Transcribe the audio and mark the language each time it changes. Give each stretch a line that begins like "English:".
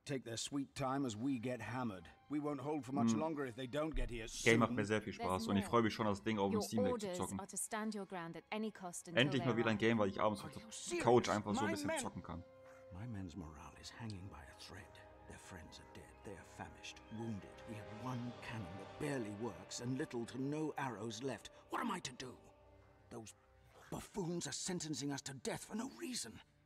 English: Take their sweet time as we get hammered. We won't hold for much longer if they don't get here soon.
German: Game macht mir sehr viel Spaß und ich freue mich schon, das Ding auf dem Steam Deck zu zocken. Endlich mal wieder ein Game, weil ich abends auf der Couch einfach so ein bisschen zocken kann.
English: My men's morale is hanging by a thread. Their friends are dead. They are famished, wounded. We have one cannon that barely works and little to no arrows left. What am I to do? Those buffoons are sentencing us to death for no reason.